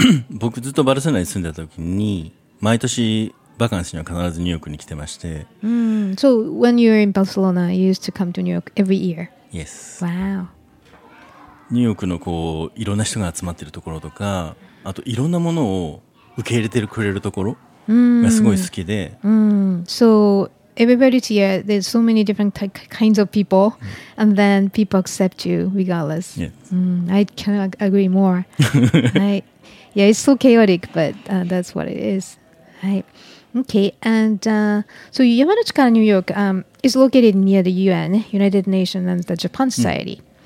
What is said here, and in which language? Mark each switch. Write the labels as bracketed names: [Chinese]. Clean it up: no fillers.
[Japanese] 僕ずっとバルセロナに住んでた時に、毎年バカンスには必ずニューヨークに来てまして。 [English] So when you were in Barcelona, you used to come to New York every year? Yes. Wow. [Japanese] ニューヨークのこういろんな人が集まってるところとか、あといろんなものを受け入れてくれるところがすごい好きで、 [English] So everybody here, there's so many different kinds of people, and then people accept you regardless. Yes. I cannot agree more. yeah, it's so chaotic, but that's what it is. Okay, and so Yamada Chikara, New York, is located near the UN, United Nations, and the Japan Society. Mm.